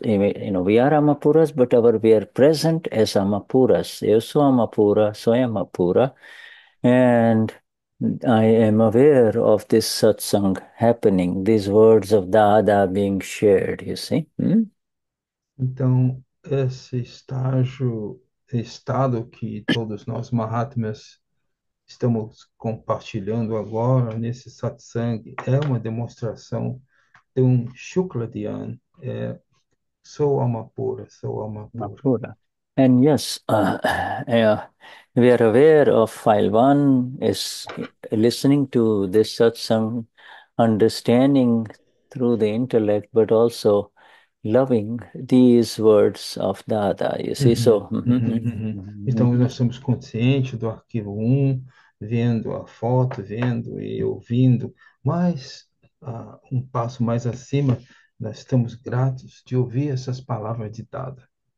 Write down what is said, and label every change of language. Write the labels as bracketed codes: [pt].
[en] We are Amapuras, but we are present as Amapuras. Amapura, and I am aware of this satsang happening, these words of Dada being shared, you see? [pt] Então, esse estado que todos nós, Mahatmas, estamos compartilhando agora, nesse satsang, é uma demonstração de um Shukla Dhyan. Sou alma pura, sou alma pura. Mapura. [en] And yes, we are aware of file one is listening to this satsang, understanding through the intellect, but also loving these words of Dada, you see? So, [pt] Então, nós somos conscientes do arquivo 1, vendo a foto, vendo e ouvindo, mas um passo mais acima, nós estamos gratos de ouvir essas palavras de Dada.